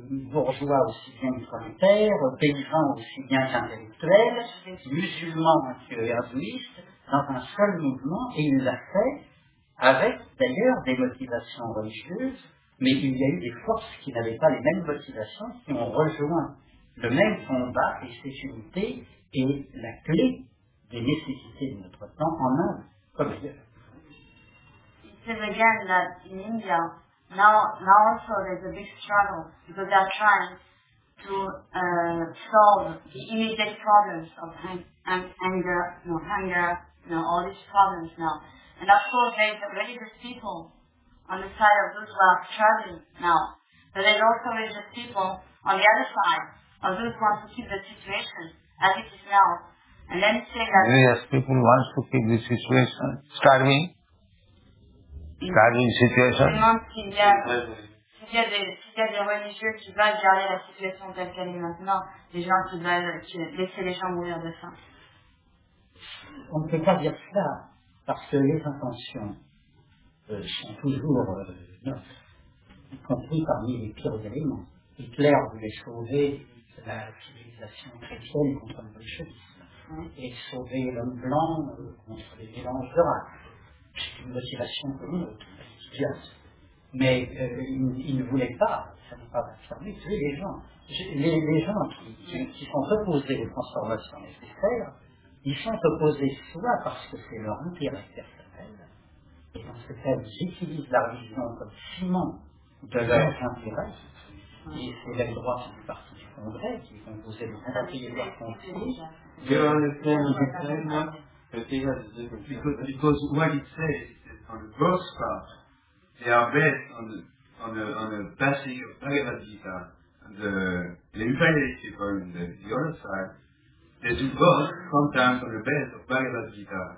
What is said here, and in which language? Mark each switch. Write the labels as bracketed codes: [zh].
[fr] bourgeois aussi bien que prolétaires, paysans aussi bien qu'intellectuels, musulmans que hindouistes, dans un seul mouvement, et il l'a fait avec d'ailleurs des motivations religieuses, mais il y a eu des forces qui n'avaient pas les mêmes motivations, qui ont rejoint le même combat, et cette unité est la clé des nécessités de notre temps en Inde, comme ailleurs. [en] He says again that in India, now also there's a big struggle, because they're trying to solve the immediate problems of hunger, you know, all these problems now. And of course, there is a religious people on the side of those who are struggling now. But there is also religious people on the other side of those who want to keep the situation as it is now. And let me say that... Religious people want to keep the situation starving? Starving situation? [fr] Il y a des religieux qui veulent garder la situation telle qu'elle est maintenant. Des gens qui veulent laisser les gens mourir de faim. On ne peut pas dire cela, parce que les intentions sont toujours neutres, y compris parmi les pires éléments. Hitler voulait sauver la civilisation chrétienne contre le bolchevisme, et sauver l'homme blanc contre les mélanges de race. C'est une motivation commune, insidieuse. Mais il ne voulait pas, ça ne veut pas affirmer, tuer les gens. Les gens qui sont opposés aux transformations nécessaires, ils sont opposés soit parce que c'est leur intérêt personnel, et dans ce cas, ils utilisent la religion comme ciment de leurs intérêts, et c'est l'aile droite du Parti du Congrès qui est composé de leurs conseillers. [en] Do you understand what you're saying now? Because what it says is that on the both parts, they are based on the passage of Bhagavad Gita, and the imperialistic on the other side. They do both sometimes on the basis of Bhagavad Gita.